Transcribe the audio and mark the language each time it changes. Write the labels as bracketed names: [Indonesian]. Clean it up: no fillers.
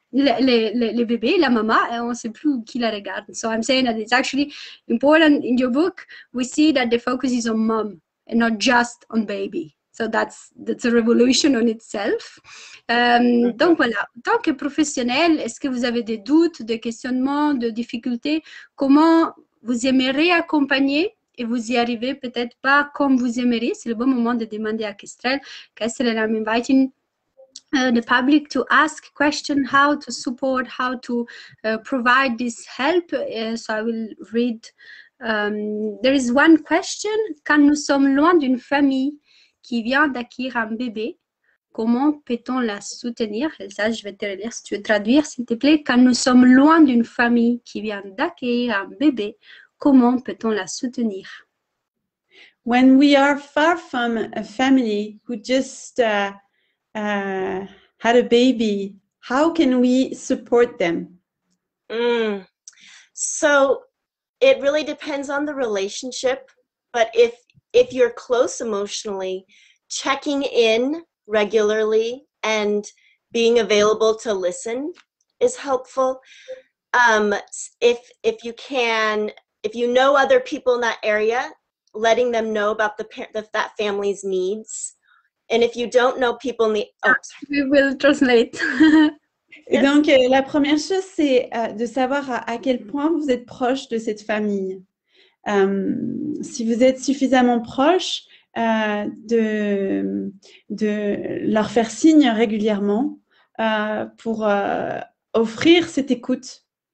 [French] Les bébés, la maman, et on ne sait plus qui la regarde. [English] So I'm saying that it's actually important in your book, we see that the focus is on mom and not just on baby. So that's a revolution on itself. [French] Donc voilà, tant que professionnel, est-ce que vous avez des doutes, des questionnements, des difficultés? Comment vous aimeriez accompagner et vous y arrivez peut-être pas comme vous aimeriez? C'est le bon moment de demander à Kestrel. [English] Kestrel, I'm inviting the public to ask question, how to support, how to provide this help. So I will read. There is one question. [French] Quand nous sommes loin d'une famille qui vient d'acquérir un bébé, comment peut-on la soutenir? Elsa, je vais te relire si tu veux traduire, s'il te plaît. Quand nous sommes loin d'une famille qui vient d'acquérir un bébé, comment peut-on la soutenir? [English] When we are far from a family who just had a baby, how can we support them? So it really depends on the relationship, but if you're close emotionally, checking in regularly and being available to listen is helpful. If you know other people in that area, letting them know about that family's needs. And if you don't know people in the... Oh, we will translate. [French] Et donc, la première chose, c'est de savoir à quel point vous êtes proche de cette famille. Si vous êtes suffisamment proche, de leur faire signe régulièrement pour offrir cette écoute.